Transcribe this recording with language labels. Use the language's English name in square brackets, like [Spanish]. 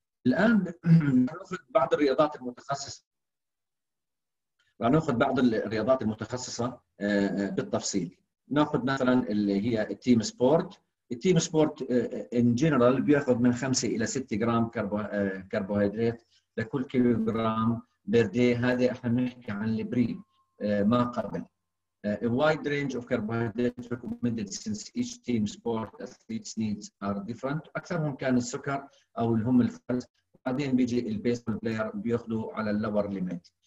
[Arabic] الان ناخذ بعض الرياضات المتخصصه، ناخذ بعض الرياضات المتخصصه بالتفصيل. ناخذ مثلا اللي هي التيم سبورت. [English] التيم sport in general [Arabic] بياخذ من 5 الى 6 جرام كربوهيدرات لكل كيلوغرام بردي، هذا احنا بنحكي عن البري ما قبل. [English] A wide range of carbohydrates recommended since each team sport athletes needs are different. [Arabic] أكثرهم كان السكر أو اللي هم الفرز. بعدين بيجي [English] البيسبول بلاير [Arabic] بياخذوا على [English] اللور ليميت.